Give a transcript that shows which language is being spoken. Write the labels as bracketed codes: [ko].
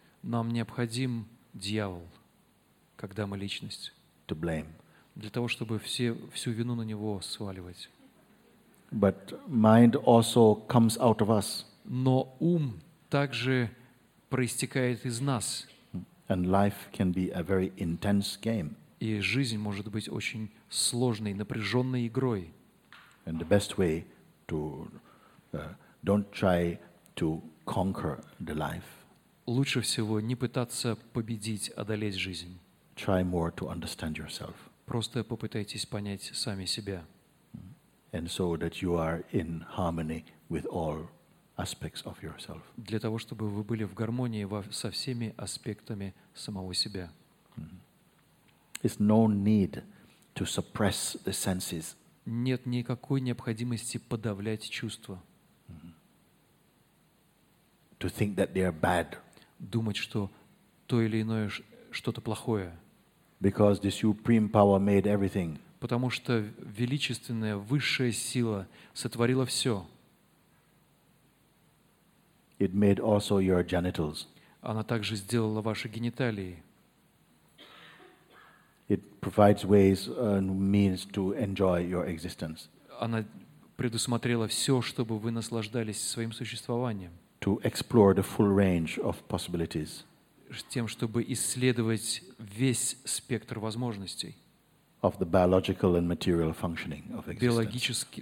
[ru] Нам необходим дьявол, когда мы личность. [en] To blame. [ru] Для того, чтобы всю вину на него сваливать. [en] But mind also comes out of us. [ru] Но ум также проистекает из нас. [en] And life can be a very intense game. [ru] И жизнь может быть очень сложной, напряженной игрой. [en] And the best way to don't try to conquer the life. [ru] Лучше всего не пытаться победить, одолеть жизнь. [en] Try more to understand yourself. [ru] Просто попытайтесь понять сами себя. [en] And so that you are in harmony with all. Aspects of yourself. [ru] Для того, чтобы вы были в гармонии со всеми аспектами самого себя. [en] It's no need to suppress the senses. [ru] Нет никакой необходимости подавлять чувства. [en] To think that they are bad. [ru] Думать, что то или иное что-то плохое. [en] Because the supreme power made everything. [ru] Потому что величественная высшая сила сотворила все. [en] It made also your genitals. [ru] Она также сделала ваши гениталии. [en] It provides ways and means to enjoy your existence. [ru] Она предусмотрела все, чтобы вы наслаждались своим существованием. [en] To explore the full range of possibilities. [ru] Тем, чтобы исследовать весь спектр возможностей. [en] Of the biological and material functioning of existence.